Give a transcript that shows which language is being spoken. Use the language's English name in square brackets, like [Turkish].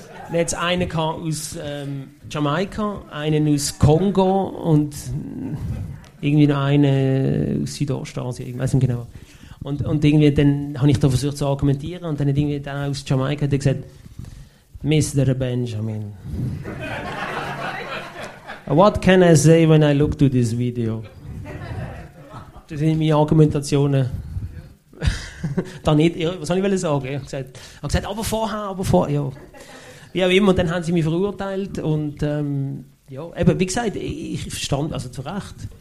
[German] Dann hat es einen gehabt aus Jamaika, einen aus Kongo und irgendwie noch einen aus Südostasien. Ich weiß nicht genau. Und irgendwie dann habe ich da versucht zu argumentieren und dann hat irgendwie der aus Jamaika gesagt: Mr. [English] Benjamin. What can I say when I look to this video? [German] Das sind meine Argumentationen. Dann nicht, was wollte ich sagen? Ich habe gesagt, aber vorher, ja. Wie auch immer, und dann haben sie mich verurteilt. Und wie gesagt, ich verstand, also zu Recht.